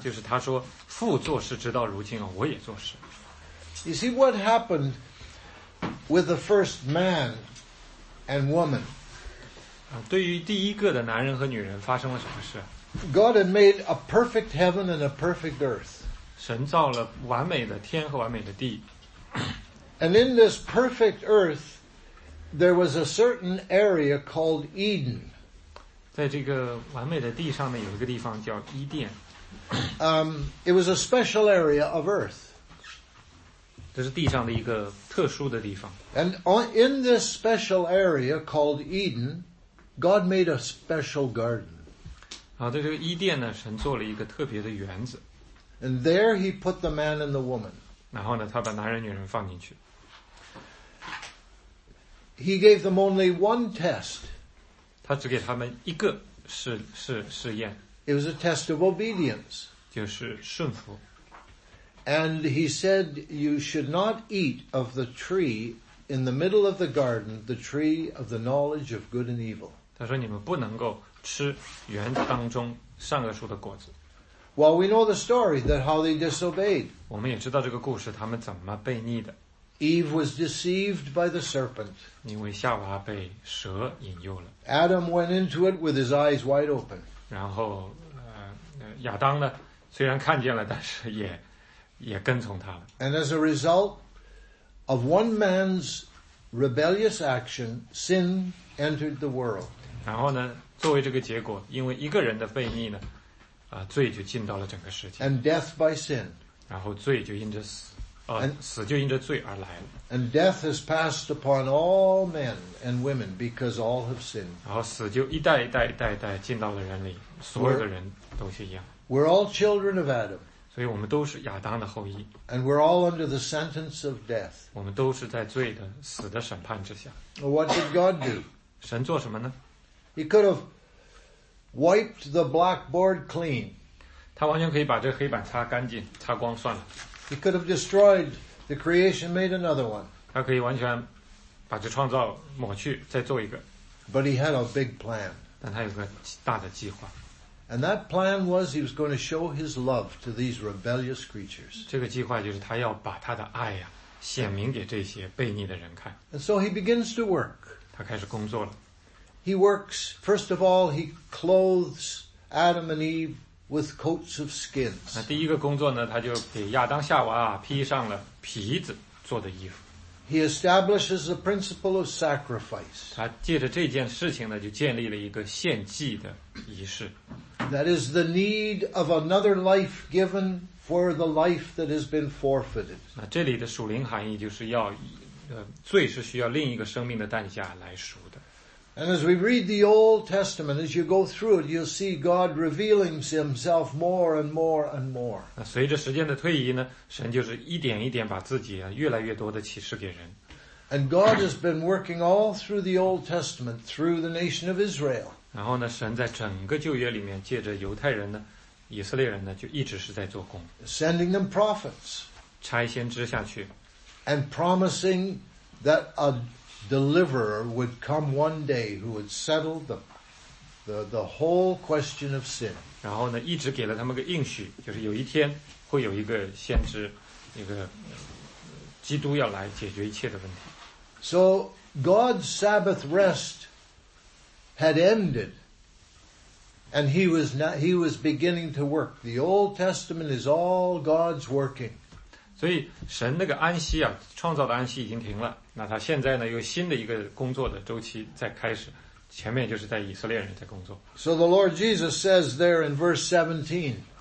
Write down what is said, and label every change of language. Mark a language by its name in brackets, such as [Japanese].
[Chinese] 就是他说父做事直到如今我也做事。 [English] You see what happened with the first man and woman? [Chinese] 对于第一个的男人和女人发生了什么事？ [English] God had made a perfect heaven and a perfect earth. [Chinese] 神造了完美的天和完美的地。 [English] And in this perfect earth, there was a certain area called Eden. [Chinese] 在这个完美的地上面有一个地方叫伊甸。 [English] It was a special area of earth. [Chinese] 这是地上的一个特殊的地方。 [English] And in this special area called Eden, God made a special garden. [Chinese] 啊，在这个伊甸呢，神做了一个特别的园子。 [English] And there he put the man and the woman. [Chinese] 然后呢，他把男人女人放进去。 [English] He gave them only one test. [Chinese] 他只给他们一个试验。 [English] It was a test of obedience. [Chinese] 就是顺服。 [English] And he said, "You should not eat of the tree in the middle of the garden, the tree of the knowledge of good and evil." [Chinese] 他说你们不能够。吃园子当中善恶树的果子。 [English] Well, we know the story that how they disobeyed. [Chinese] 我们也知道这个故事，他们怎么悖逆的。 [English] Eve was deceived by the serpent. [Chinese] 因为夏娃被蛇引诱了。 [English] Adam went into it with his eyes wide open. [Chinese] 然后，亚当呢，虽然看见了，但是也跟从他了。 [English] And as a result of one man's rebellious action, sin entered the world. [Chinese] 然后呢？作为这个结果，因为一个人的悖逆呢，罪就进到了整个世界。 [English] And death by sin. [Chinese] 然后罪就因着死，死就因着罪而来了。 [English] And death has passed upon all men and women because all have sinned. [Chinese] 然后死就一代一代一代一代进到了人里，所有的人都是一样。 [English] We're all children of Adam. [Chinese] 所以我们都是亚当的后裔。 [English] And we're all under the sentence of death. [Chinese] 我们都是在罪的死的审判之下。 [English] What did God do? [Chinese] 神做什么呢？ [English] He could have wiped the blackboard clean. [Chinese] 他完全可以把这个黑板擦干净，擦光算了。 [English] He could have destroyed the creation, made another one. [Chinese] 他可以完全把这创造抹去，再做一个。 [English] But he had a big plan. [Chinese] 但他有个大的计划。 [English] And that plan was he was going to show his love to these rebellious creatures. [Chinese] 这个计划就是他要把他的爱呀，显明给这些悖逆的人看。 [English] And so he begins to work. [Chinese] 他开始工作了。 [English] He works, first of all, he clothes Adam and Eve with coats of skins. [Chinese] 那第一个工作呢，他就给亚当夏娃啊披上了皮子做的衣服。 [English] He establishes the principle of sacrifice. [Chinese] 他借着这件事情呢，就建立了一个献祭的仪式。 [English] That is the need of another life given for the life that has been forfeited. [Chinese] 那这里的属灵含义就是要，罪是需要另一个生命的代价来赎的。 [English] And as we read the Old Testament, as you go through it, you'll see God revealing Himself more and more and more. [Chinese] 那随着时间的推移呢，神就是一点一点把自己啊越来越多的启示给人。 [English] And God has been working all through the Old Testament through the nation of Israel. [Chinese] 然后呢，神在整个旧约里面借着犹太人呢，以色列人呢，就一直是在做工。 [English] Sending them prophets. [Chinese] 差先知下去。 [English] And promising that a Deliverer would come one day who would settle the whole question of sin. [Chinese] 然后呢，一直给了他们个应许，就是有一天会有一个先知，一个基督要来解决一切的问题。 [English] So God's Sabbath rest had ended, and he was beginning to work. The Old Testament is all God's working. [Chinese] 所以神那个安息啊，创造的安息已经停了。那他现在呢，又新的一个工作的周期在开始，前面就是在以色列人在工作。 [English] So the Lord Jesus says there in verse 17.